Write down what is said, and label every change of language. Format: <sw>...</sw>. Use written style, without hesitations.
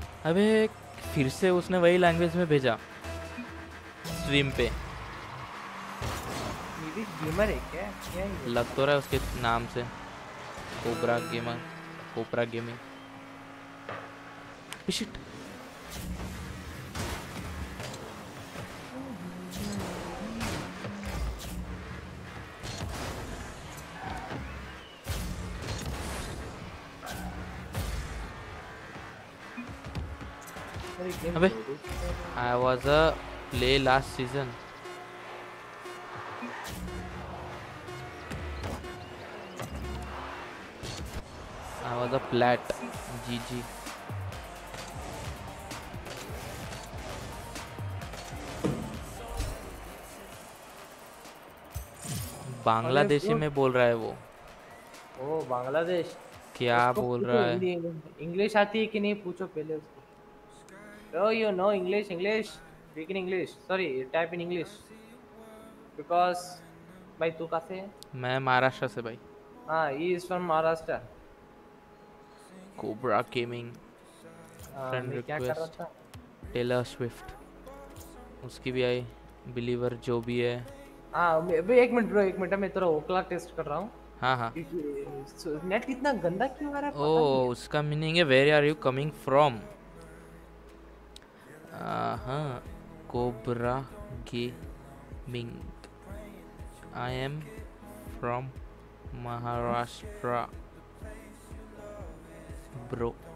<hi>अबे फिर से उसने वही लैंग्वेज में भेजा स्ट्रीम पे। ये भी गेमर है क्या? क्या है लग तो रहा है उसके नाम से cobra gamer cobra gaming.</hi> <en>shit अबे I was a play last season I was a plat GG</en> <hi>Bangladeshi में बोल रहा है वो। ओ बांग्लादेश क्या बोल रहा है? इंग्लिश आती है कि नहीं पूछो पहले।</hi> <en>Oh, you know English, English, speak in English. Sorry, type in English.</en> <hi>Because, भाई तू कहाँ से है? मैं महाराष्ट्र से भाई।</hi> <en>हाँ, he is from Maharashtra. Cobra Gaming. Friend request. Taylor Swift.</en> <hi>उसकी भी आई. Believer जो भी है. हाँ, अभी एक मिनट ब्रो, एक मिनट मैं तेरा ओकला टेस्ट कर रहा हूँ. हाँ हाँ. नेट कितना गंदा क्यों आ रहा है?</hi> <en>Oh,</en> <hi>उसका मीनिंग है</hi> <en>where are you coming from? हाँ Cobra Gaming I am from Maharashtra bro.</en>